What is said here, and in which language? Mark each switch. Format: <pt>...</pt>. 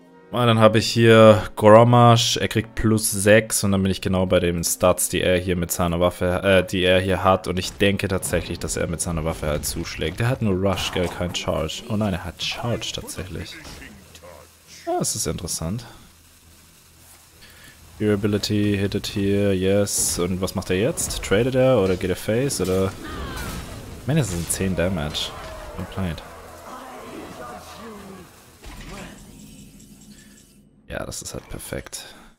<de>Und dann habe ich hier Grommash, er kriegt plus 6 und dann bin ich genau bei den Stats, die er hier mit seiner Waffe, die er hier hat. Und ich denke tatsächlich, dass er mit seiner Waffe halt zuschlägt. Der hat nur Rush, gell, kein Charge. Oh nein, er hat Charge tatsächlich. Das ist interessant.</de> <en>Durability, hit it here, yes.</en> <de>Und was macht er jetzt? Tradet er oder geht er face oder... Ich meine, das ist ein 10 Damage. Complained. Ja, das ist halt perfekt.</de>